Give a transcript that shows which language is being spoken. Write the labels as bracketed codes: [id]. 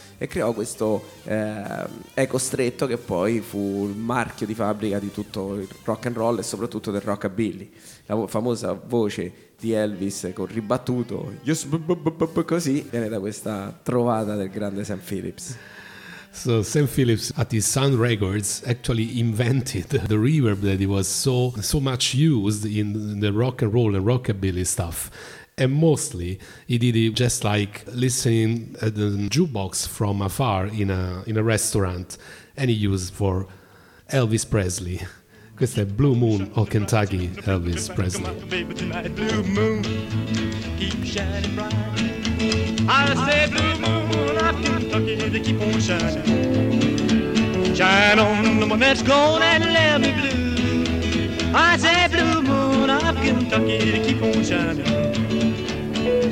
[it] e creò questo eco stretto che poi fu il marchio di fabbrica di tutto il rock and roll e soprattutto del rockabilly, la famosa voce di Elvis con ribattuto così viene da questa trovata del grande Sam Phillips. [en] So Sam Phillips at the Sun Records actually invented the reverb that it was so much used in the rock and roll and rockabilly stuff. And mostly he did it just like listening at the jukebox from afar in a restaurant, and he used for Elvis Presley. [it] Questo è Blue Moon of Kentucky, Elvis Presley. [en] Blue Moon, keep shining bright. I say Blue Moon of Kentucky, they keep on shining. Shine on the one that's gone and left me blue. I say Blue Moon of Kentucky, they keep on shining.